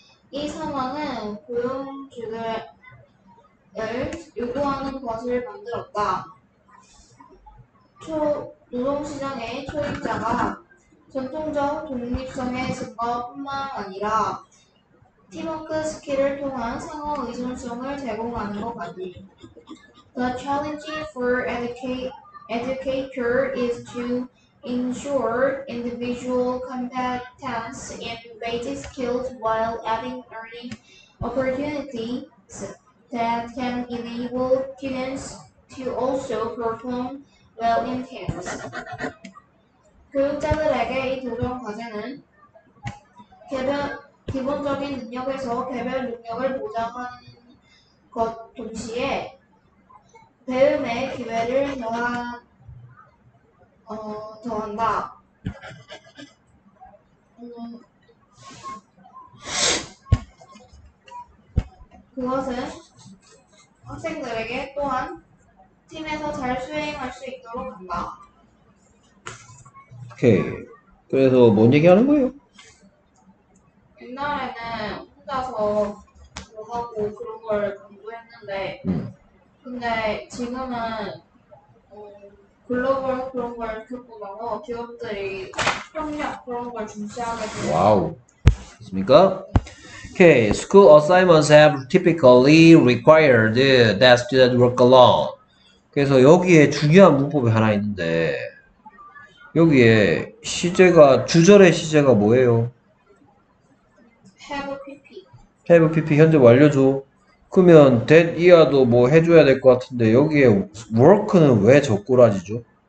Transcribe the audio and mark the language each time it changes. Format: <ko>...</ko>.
<ko>이 상황은 고용주들을 요구하는 것을 만들었다. 노동시장의 초입자가 전통적 독립성의 증거뿐만 아니라 팀워크 스킬을 통한 상호 의존성을 제공하는 것 같니?</ko> <en>The challenge for educator is to ensure individual competence and basic skills while adding learning opportunities that can enable students to also perform well in teams.</en> <ko>교육자들에게 이 도전 과제는 기본적인 능력에서 개별 능력을 보장하는 것 동시에 배움의 기회를 더한다. 그것은 학생들에게 또한 팀에서 잘 수행할 수 있도록 한다. 오케이. 그래서 뭔 얘기 하는 거예요? 옛날에는 혼자서 뭐하고 그런 걸 공부했는데 근데 지금은 글로벌 그런 걸 겪고 기업들이 협력 그런 걸 중시하는 거예요. 와우. 됐습니까?</ko> <en>Okay, school assignments have typically required that students work alone.</en> <ko>그래서 여기에 중요한 문법이 하나 있는데 여기에 시제가 주절의 시제가 뭐예요?</ko> <en>Have PP.</en> <ko>Have PP 현재 완료죠. 그러면 that 이하도 뭐 해줘야 될 것 같은데 여기에 work는 왜 적고라지죠?</ko>